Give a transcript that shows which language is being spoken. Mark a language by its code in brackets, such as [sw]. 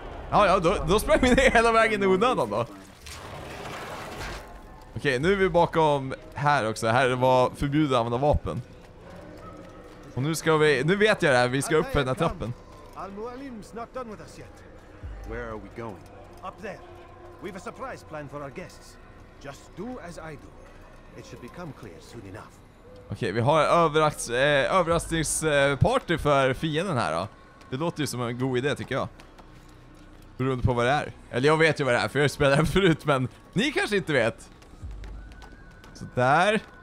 [sv] Ja, då sprang vi ner hela vägen i onödan då. Okej, nu är vi bakom här också. Här var förbjudet att använda vapen. Och nu ska vi... Nu vet jag det här, vi ska upp den här trappen. [en] Al-Mualim's not done with us yet. Where are we going? Up there. We have a surprise plan for our guests. Just do as I do. It should become clear soon enough. [sv] Okej, vi har överraskningsparty för fienden här då. Det låter ju som en god idé tycker jag. Beroende på vad det är. Eller jag vet ju vad det är, för jag spelade det förut, men ni kanske inte vet. Så där.